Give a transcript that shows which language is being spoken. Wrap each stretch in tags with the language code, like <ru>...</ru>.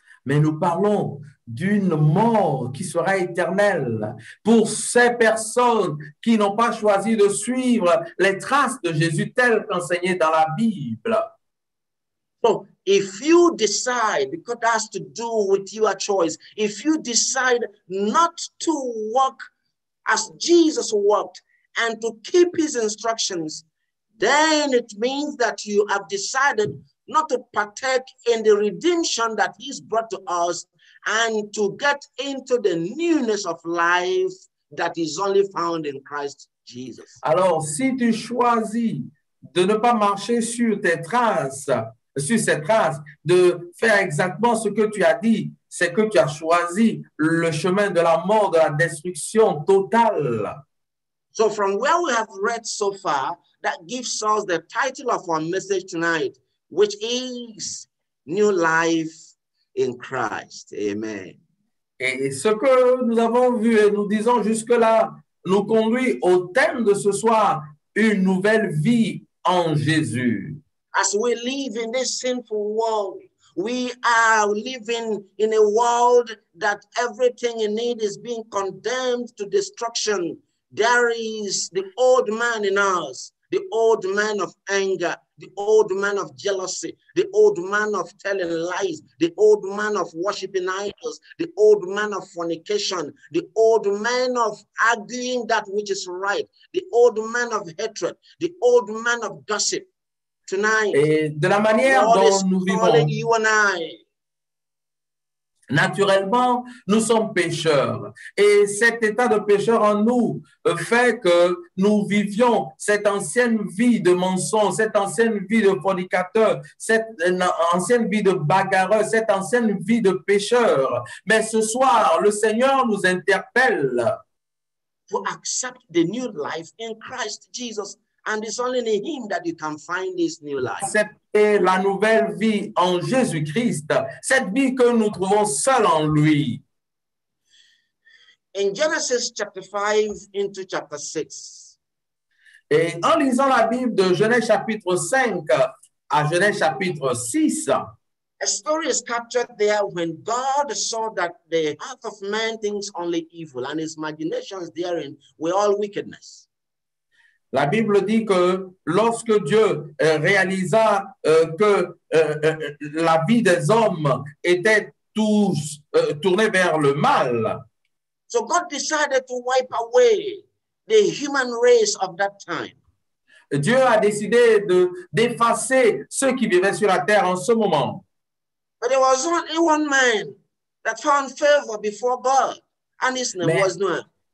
<fr>Mais nous parlons d'une mort qui sera éternelle pour ces personnes qui n'ont pas choisi de suivre les traces de Jésus telles qu'enseignées dans la Bible.</fr> <en>So, if you decide, because that has to do with your choice, if you decide not to walk as Jesus walked and to keep his instructions, then it means that you have decided not to partake in the redemption that he's brought to us and to get into the newness of life that is only found in Christ Jesus.</en> <fr>Alors, si tu choisis de ne pas marcher sur tes traces, sur ces traces, de faire exactement ce que tu as dit, c'est que tu as choisi le chemin de la mort, de la destruction totale.</fr> <en>So from where we have read so far, that gives us the title of our message tonight, which is New Life in Christ. Amen.</en> <fr>Et ce que nous avons vu et nous disons jusque-là nous conduit au thème de ce soir, une nouvelle vie en Jésus.</fr> <en>As we live in this sinful world, we are living in a world that everything in it is being condemned to destruction. There is the old man in us, the old man of anger, the old man of jealousy, the old man of telling lies, the old man of worshiping idols, the old man of fornication, the old man of arguing that which is right, the old man of hatred, the old man of gossip. Tonight,</en> <fr>et de la manière dont nous vivons, naturellement, nous sommes pécheurs. Et cet état de pécheur en nous fait que nous vivions cette ancienne vie de mensonge, cette ancienne vie de fornicateur, cette ancienne vie de bagarreur, cette ancienne vie de pécheur. Mais ce soir, le Seigneur nous interpelle.</fr> <en>To accept the new life in Christ Jesus. And it's only in him that you can find this new life.</en> <fr>Accepter la nouvelle vie en Jésus-Christ, cette vie que nous trouvons seule en lui.</fr> <en>In Genesis chapter 5 into chapter 6.</en> <fr>Et en lisant la Bible de Genèse chapitre 5 à Genèse chapitre 6.</fr> <en>A story is captured there when God saw that the heart of man thinks only evil and his imaginations therein were all wickedness.</en> <fr>La Bible dit que lorsque Dieu réalisa que la vie des hommes était tous tournée vers le mal.</fr> <en>So God decided to wipe away the human race of that time.</en> <fr>Dieu a décidé d'effacer ceux qui vivaient sur la terre en ce moment.</fr> <en>But there was only one man that found favor before God, and his name was Noah.</en>